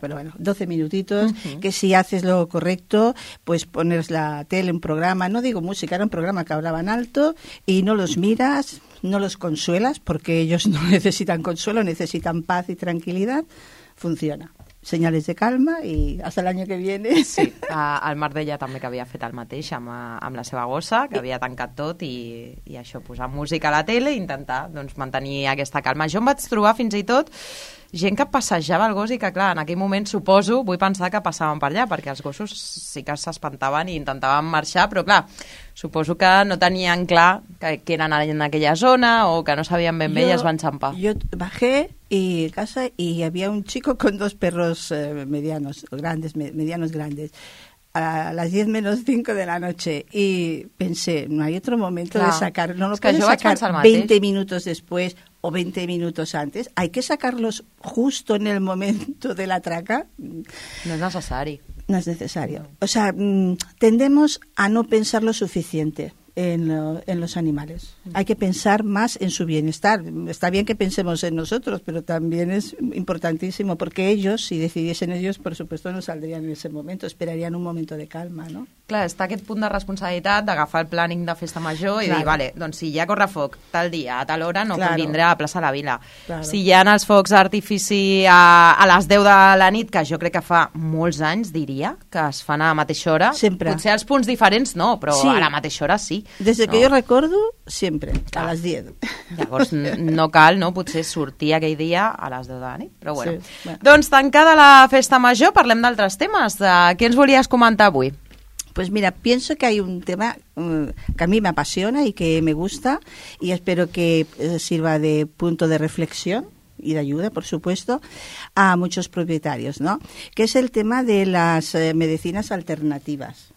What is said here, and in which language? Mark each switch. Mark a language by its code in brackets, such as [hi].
[es] Pero bueno, 12 minutitos, que si haces lo correcto, pues pones la tele, un programa, no digo música, era un programa que hablaban alto y no los miras, no los consuelas, porque ellos no necesitan consuelo, necesitan paz y tranquilidad, funciona. Senyales de calma i hasta el año que viene. [ca] Sí, el Marc deia també que havia fet el mateix amb la seva gossa, que havia tancat tot i això, posar música a la tele i intentar doncs, mantenir aquesta calma. Jo em vaig trobar fins i tot gent que passejava el gos i que, clar, en aquell moment, suposo, vull pensar que passaven per allà, perquè els gossos sí que s'espantaven i intentaven marxar, però, clar, suposo que no tenien clar que eren en aquella zona o que no sabien ben bé i es van xampar. [es] Jo bajé y casa y había un chico con dos perros medianos, grandes, medianos grandes, a las 10 menos 5 de la noche. Y pensé, no hay otro momento de sacar, no lo puedes sacar 20 minutos después o 20 minutos antes. Hay que sacarlos justo en el momento de la traca. No es necesario. No es necesario. O sea, tendemos a no pensar lo suficiente. En los animales. Hay que pensar más en su bienestar. Está bien que pensemos en nosotros, pero también es importantísimo porque ellos, si decidiesen ellos, por supuesto, no saldrían en ese momento, esperarían un momento de calma, ¿no? [ca] Clar, està aquest punt de responsabilitat d'agafar el planning de festa major i dir, vale, doncs si hi ha correfoc tal dia, a tal hora, no convindrà a plaça de la Vila. [es] Claro. [ca] Si hi ha els focs d'artifici a les 10 de la nit, que jo crec que fa molts anys, diria, que es fan a la mateixa hora, sempre. Potser als punts diferents no, però a la mateixa hora sí. Des que jo recordo, sempre, a les 10. Llavors no cal, no?, potser sortir aquell dia a les 10 de la nit. Però bueno. Sí. Doncs tancada la festa major, parlem d'altres temes. Què ens volies comentar avui? [es] Pues mira, pienso que hay un tema que a mí me apasiona y que me gusta y espero que sirva de punto de reflexión y de ayuda, por supuesto, a muchos propietarios, ¿no? Que es el tema de las medicinas alternativas.